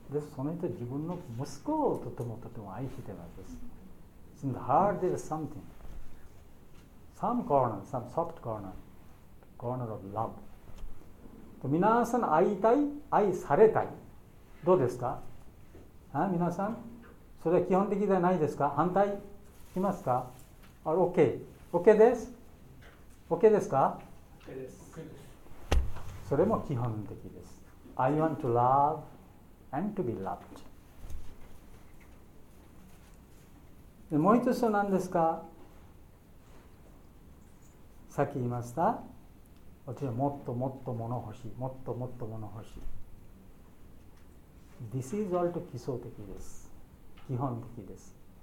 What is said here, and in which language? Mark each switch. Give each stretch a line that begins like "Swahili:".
Japanese: で、その人自分の息子をとてもとても愛してます。
English: In the heart there is something, some corner, some soft corner, corner of love.
Japanese: 皆さん会いたい、愛されたい。どうですか？皆さん、それは基本的ではないですか？反対しますか？あ、OK。OK です。OK ですか？ OK です。それも基本的です。
English: I want to love and to be loved.
Japanese: もう一つは何ですか、さっき言いました、私はもっともっと物欲しい、もっともっと物欲しい。
English: This is all to
Japanese: 基礎的です、基本的です。